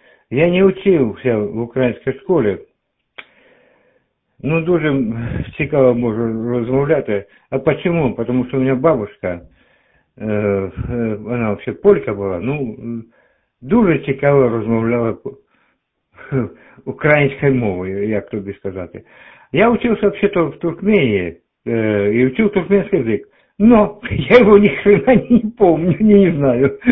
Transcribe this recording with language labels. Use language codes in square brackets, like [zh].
[ru] Я не учился в украинской школе. [uk] Ну, дуже цікаво можу розмовляти. [ru] А почему? Потому что у меня бабушка, она вообще полька была, ну, [uk] дуже цікаво розмовляла [ru] украинской [uk] мовою, як тобі сказати. [ru] Я учился вообще-то в Туркмении, и учил туркменский язык. Но я его ни хрена не помню, не знаю.